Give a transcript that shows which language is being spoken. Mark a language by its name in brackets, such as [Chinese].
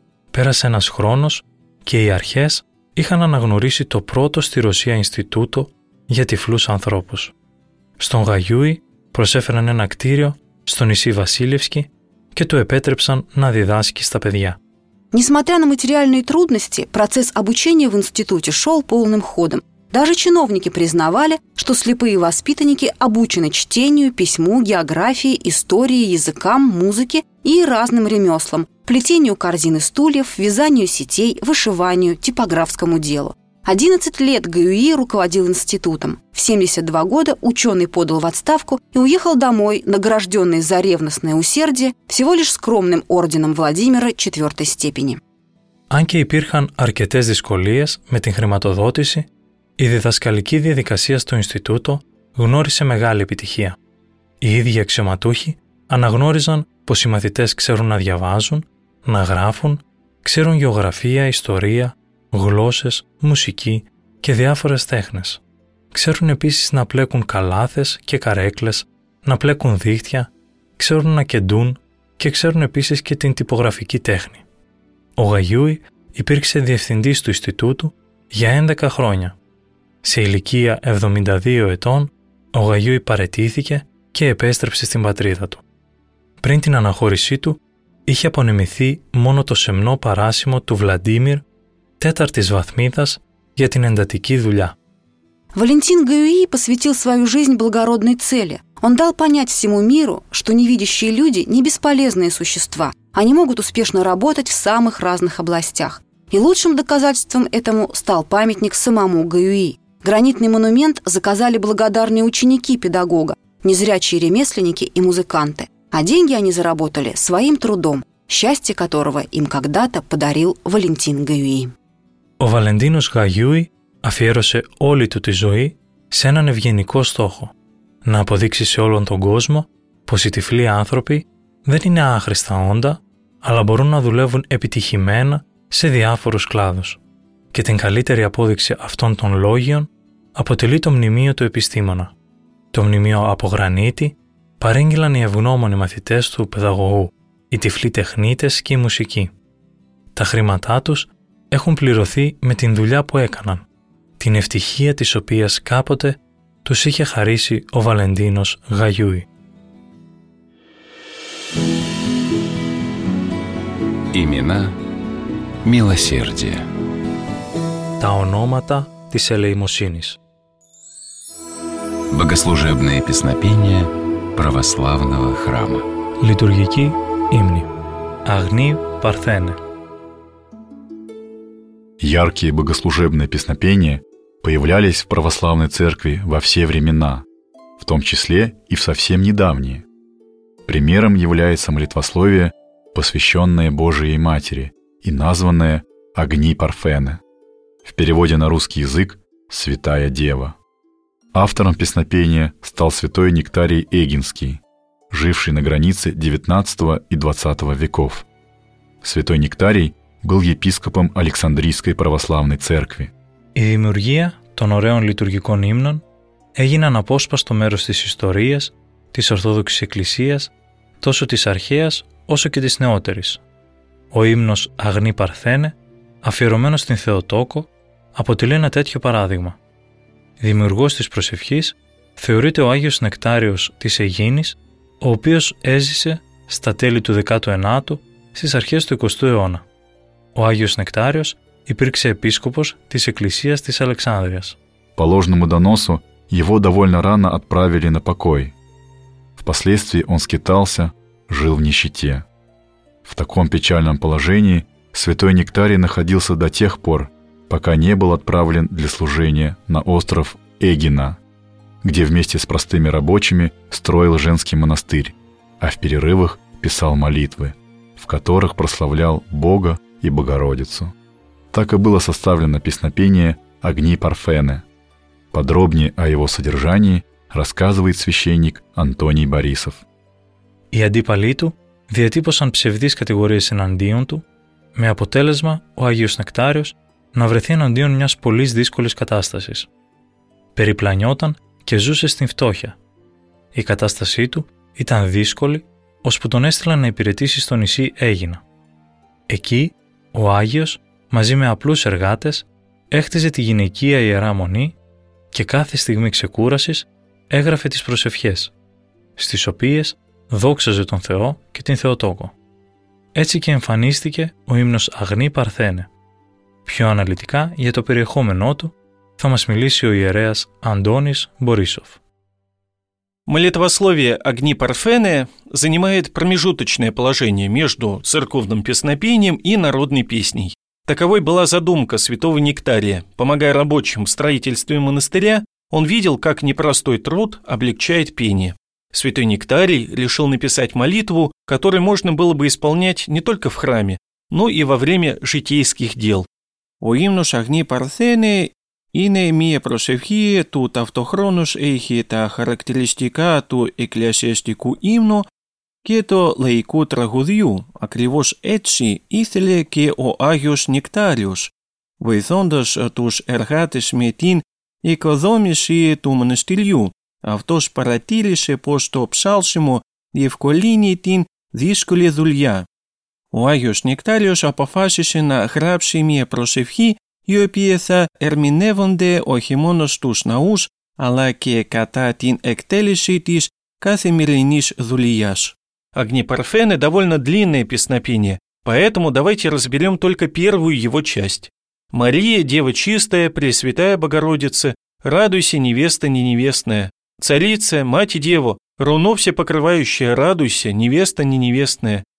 [Greek] Πέρασε ένας χρόνος και οι αρχές είχαν αναγνωρίσει το πρώτο στη Ρωσία Ινστιτούτο για τυφλούς ανθρώπους. Στον Γαγιούι προσέφεραν ένα κτίριο στο νησί Βασίλευσκι και του επέτρεψαν να διδάσκει στα παιδιά. [Russian] Несмотря на материальные трудности, процесс обучения в институте шел полным ходом. Даже чиновники признавали, что слепые воспитанники обучены чтению, письму, географии, истории, языкам, музыке и разным ремеслам, плетению корзин и стульев, вязанию сетей, вышиванию, типографскому делу. 11 лет Гюи руководил институтом. В 72 года ученый подал в отставку и уехал домой, награжденный за ревностное усердие всего лишь скромным орденом Владимира 4-й степени. [Greek] Αν και υπήρχαν αρκετές δυσκολίες με την χρηματοδότηση, η διδασκαλική διαδικασία στο Ινστιτούτο γνώρισε μεγάλη επιτυχία. Οι ίδιοι αξιωματούχοι αναγνώριζαν πως οι μαθητές ξέρουν να διαβάζουν, να γράφουν, ξέρουν γεωγραφία, ιστορία, γλώσσες, μουσική και διάφορες τέχνες. Ξέρουν επίσης να πλέκουν καλάθες και καρέκλες, να πλέκουν δίχτυα, ξέρουν να κεντούν και ξέρουν επίσης και την τυπογραφική τέχνη. Ο Γαγιούι υπήρξε διευθυντής του Ινστιτούτου για 11 χρόνια. Σε ηλικία 72 ετών, ο Γαγιούι παραιτήθηκε και επέστρεψε στην πατρίδα του. Πριν την αναχώρησή του, είχε απονεμηθεί μόνο το σεμνό παράσημο του Βλαντίμιρ Тетартис Вахмитас для тендатики дуля. [Russian] Валентин Гюи посвятил свою жизнь благородной цели. Он дал понять всему миру, что невидящие люди не бесполезные существа. Они могут успешно работать в самых разных областях. И лучшим доказательством этому стал памятник самому Гюи. Гранитный монумент заказали благодарные ученики педагога, незрячие ремесленники и музыканты. А деньги они заработали своим трудом, счастье которого им когда-то подарил Валентин Гюи. [Greek] Ο Βαλεντίνος Γαγιούι αφιέρωσε όλη του τη ζωή σε έναν ευγενικό στόχο, να αποδείξει σε όλον τον κόσμο πως οι τυφλοί άνθρωποι δεν είναι άχρηστα όντα, αλλά μπορούν να δουλεύουν επιτυχημένα σε διάφορους κλάδους. Και την καλύτερη απόδειξη αυτών των λόγιων αποτελεί το μνημείο του επιστήμονα. Το μνημείο από γρανίτη παρήγγειλαν οι ευγνώμονοι μαθητές του παιδαγωγού, οι τυφλοί τεχνίτες και οι μουσικοί. Τα χρήματά τους έχουν πληρωθεί με την δουλειά που έκαναν, την ευτυχία της οποίας κάποτε τους είχε χαρίσει ο Βαλεντίνος Γαγιούι. [Russian] Имена милосердия. [Greek] Τα ονόματα της ελεημοσύνης. [Russian] Богослужебные песнопения православного храма. [Greek] Λειτουργική ύμνη. Αγνή Παρθένε. [Russian] Яркие богослужебные песнопения появлялись в православной церкви во все времена, в том числе и в совсем недавние. Примером является молитвословие, посвященное Божией Матери и названное «Огни Парфены», в переводе на русский язык «Святая Дева». Автором песнопения стал святой Нектарий Эгинский, живший на границе XIX и XX веков. Святой Нектарий был епископом Александрийской православной церкви. [Greek] Η δημιουργία των ωραίων λειτουργικών ύμνων έγινε αναπόσπαστο μέρος της ιστορίας της Ορθόδοξης Εκκλησίας, τόσο της αρχαίας όσο και της νεότερης. Ο ύμνος «Αγνή Παρθένε», αφιερωμένος στην Θεοτόκο, αποτελεί ένα τέτοιο παράδειγμα. Δημιουργός της προσευχής θεωρείται ο Άγιος Νεκτάριος της Αιγίνης, ο οποίος έζησε στα τέλη του 19ου, στις αρχές του 20ου αιώνα. Ο Άγιος Νεκτάριος υπήρξε επίσκοπος της Εκκλησίας της Αλεξάνδρειας. [Russian] По ложному доносу его довольно рано отправили на покой. Впоследствии он скитался, жил в нищете. В таком печальном положении святой Нектарий находился до тех пор, пока не был отправлен для служения на остров Эгина, где вместе с простыми рабочими строил женский монастырь, а в перерывах писал молитвы, в которых прославлял Бога и Богородицу. Так и было составлено песнопение «Огни Парфены». Подробнее о его содержании рассказывает священник Антоний Борисов. [Greek] Οι αντίπαλοι του διατύπωσαν ψευδείς κατηγορίες εναντίον του, με αποτέλεσμα ο Άγιος Νεκτάριος να βρεθεί εναντίον μιας πολύς δύσκολης κατάστασης. Περιπλανιόταν και ζούσε στην φτώχεια. Η κατάστασή του ήταν δύσκολη, ώσπου τον έστειλαν να υπηρετήσει στο νησί Έγινα. Εκεί, ο Άγιος, μαζί με απλούς εργάτες, έχτιζε τη γυναικεία Ιερά Μονή και κάθε στιγμή ξεκούρασης έγραφε τις προσευχές, στις οποίες δόξαζε τον Θεό και την Θεοτόκο. Έτσι και εμφανίστηκε ο ύμνος «Αγνή Παρθένε». Πιο αναλυτικά για το περιεχόμενό του θα μας μιλήσει ο ιερέας Αντώνης Μπορίσοφ. [Russian] Молитвословие «Огни Парфены» занимает промежуточное положение между церковным песнопением и народной песней. Таковой была задумка святого Нектария. Помогая рабочим в строительстве монастыря, он видел, как непростой труд облегчает пение. Святой Нектарий решил написать молитву, которую можно было бы исполнять не только в храме, но и во время житейских дел. [Greek] «О имнус огни Парфены» Είναι μία προσευχή του ταυτοχρόνους έχει τα χαρακτηριστικά του εκκλησιαστικού ύμνου και του λαϊκού τραγουδιού. Ακριβώς έτσι ήθελε και ο Άγιος Νεκτάριος, βοηθώντας τους εργάτες με την οικοδόμηση του μοναστηριού. Αυτός παρατήρησε πως το ψάλσιμο διευκολύνει την δύσκολη δουλειά. Ο Άγιος Νεκτάριος αποφάσισε να γράψει μία προσευχή οι οποίοι θα ερμηνεύονται όχι μόνο στους ναούς, αλλά και κατά την εκτέλεση της καθημερινής δουλειάς. [Russian] «Огни Парфены» — довольно длинное песнопение, поэтому давайте разберем только первую его часть. «Мария, Дева Чистая, Пресвятая Богородица, радуйся, невеста неневестная! Царица, Мать и Деву, руно всепокрывающая, радуйся, невеста неневестная!